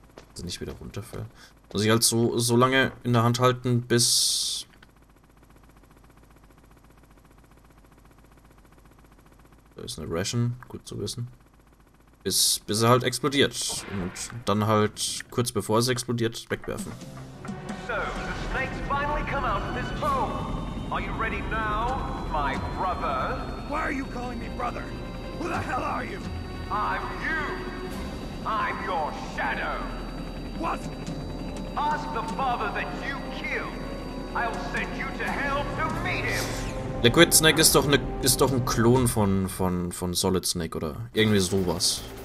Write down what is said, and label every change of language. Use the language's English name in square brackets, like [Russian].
[German] Dass ich nicht wieder runterfällt. Muss ich halt so lange in der Hand halten, bis. Da ist eine Ration, gut zu wissen. Bis er halt explodiert. Und dann halt kurz bevor es explodiert, wegwerfen. [English] So, the snakes finally come out of this hole. Are you ready now, my brother? Why are you calling me brother? Who the hell are you? I'm you. I'm your shadow. What? Ask the father that you killed. I'll send you to hell to meet him. [German] Liquid Snake ist doch ein Klon von Solid Snake oder irgendwie sowas.